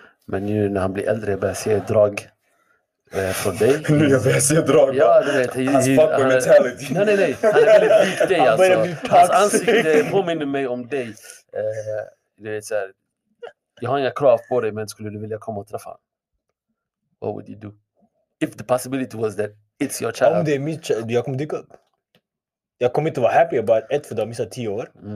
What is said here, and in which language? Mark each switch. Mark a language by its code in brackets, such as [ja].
[sv] Men nu när han blir äldre, jag börjar se drag från dig. Nu jag börjar se drag, ja, du vet. Hans fuckboy mentality. Nej, han är väldigt lik dig. Han börjar bli toxic. Hans ansikte påminner mig om dig. Du vet såhär, jag har inga krav på dig, men skulle du vilja komma och träffa honom? [en] What would you do? If the possibility was that it's your child. [sv] Om det är mitt child, jag kommer dyka upp. Jag kommer inte vara happy about it, för du har missat 10 år.